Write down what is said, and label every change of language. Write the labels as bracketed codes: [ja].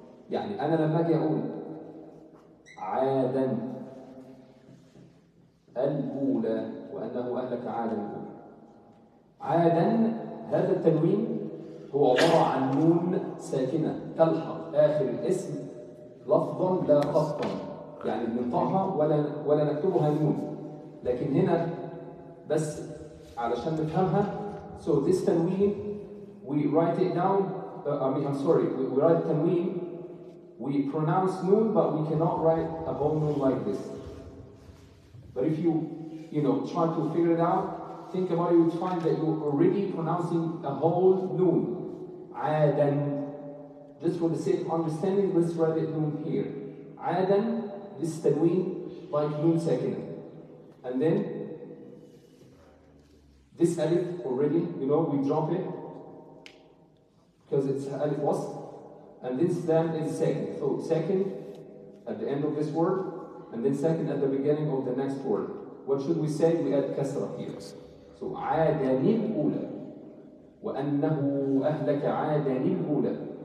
[ar] يعني انا لما اجي اقول عادا الاولى وانه اهلك عادا عادا، هذا التنوين هو عباره عن نون ساكنه تلحق اخر الاسم لفظا لا قصدا، يعني بننطقها ولا نكتبها نون، لكن هنا بس علشان نفهمها. [en] So this تنوين we write it down, we write تنوين we pronounce نون but we cannot write a vowel نون like this. But if you try to figure it out, think about it, you'd find that you're already pronouncing a whole noon. [ar] عادن. [en] Just for the sake of understanding, let's write it noon here. [ar] عادن. [en] This تنوين like noon ساكنة. And then this ألف already, we drop it because it's ألف وسط. And this then is ساكن. So ساكن at the end of this word, and then ساكن at the beginning of the next word. What should we say? We add كسرة here. [ar] So عادن الأولى وأنه أهلك عادن الأولى.